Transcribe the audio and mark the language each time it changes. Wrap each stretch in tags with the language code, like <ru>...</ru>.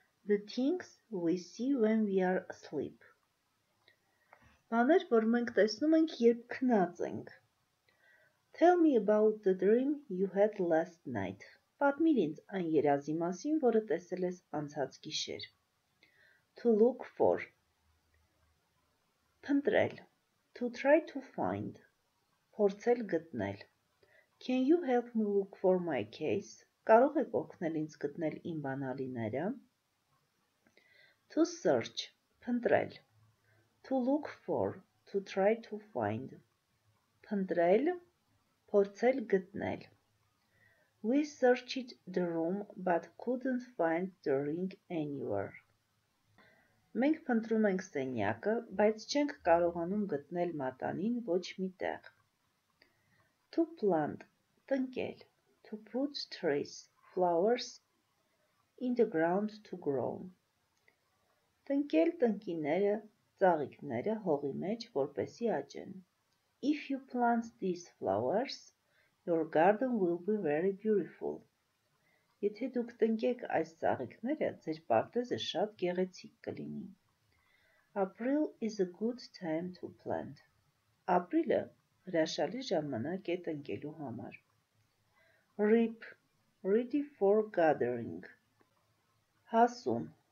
<en>The things we see when we are asleep.</en> <hy>Բաներ, որ մենք տեսնում ենք, երբ քնած ենք.</hy> <en>Tell me about the dream you had last night.</en> <hy>Պատմիր ինձ այն երազի մասին, որը տեսել ես անցած գիշեր.</hy> <en>To look for.</en> <hy>Փնտրել.</hy> <en>To try to find.</en> <hy>Փորձել գտնել.</hy> <en>Can you help me look for my case?</en> <hy>Կարող եք օգնել ինձ գտնել իմ բանալիները?</hy> <en>To search,</en> <hy>փնտրել.</hy> <en>To look for, to try to find.</en> <hy>Փնտրել, փորձել գտնել.</hy> <en>We searched the room but couldn't find the ring anywhere.</en> <hy>Մենք փնտրում ենք սենյակը, բայց չենք կարողանում գտնել մատանին ոչ մի տեղ.</hy> <en>To plant,</en> <hy>տնկել.</hy> <en>To put trees, flowers in the ground to grow.</en> <hy>Տնկել տնկիները, ծաղիկները հողի մեջ, որպեսի աճեն.</hy> <en>If you plant these flowers, your garden will be very beautiful.</en> <hy>Եթե դուք տնկեք այս ծաղիկները, ձեր պարտեզը շատ գեղեցիկ կլինի.</hy> <en>April is a good time to plant.</en> <hy>Ապրիլը հրաշալի ժամանակ է տնկելու համար.</hy> <en>Reap, ready for gathering.</en> <hy>Հասուն.</hy>